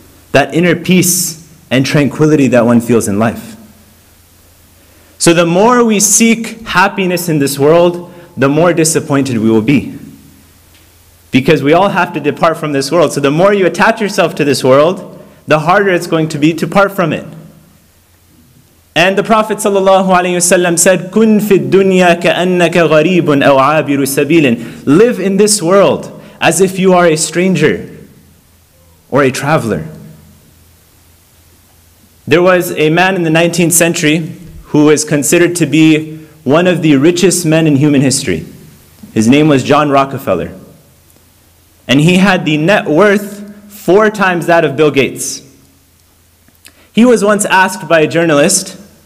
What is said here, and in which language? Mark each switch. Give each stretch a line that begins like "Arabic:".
English: That inner peace and tranquility that one feels in life. So the more we seek happiness in this world, the more disappointed we will be. Because we all have to depart from this world. So the more you attach yourself to this world, the harder it's going to be to part from it. And the Prophet ﷺ said,
Arabic: كُنْ فِي الدُّنْيَا كَأَنَّكَ غَرِيبٌ أَوْ عَابِرُ سَبِيلٍ.
English: Live in this world as if you are a stranger or a traveler. There was a man in the 19th century who was considered to be one of the richest men in human history. His name was John Rockefeller. And he had the net worth 4 times that of Bill Gates. He was once asked by a journalist,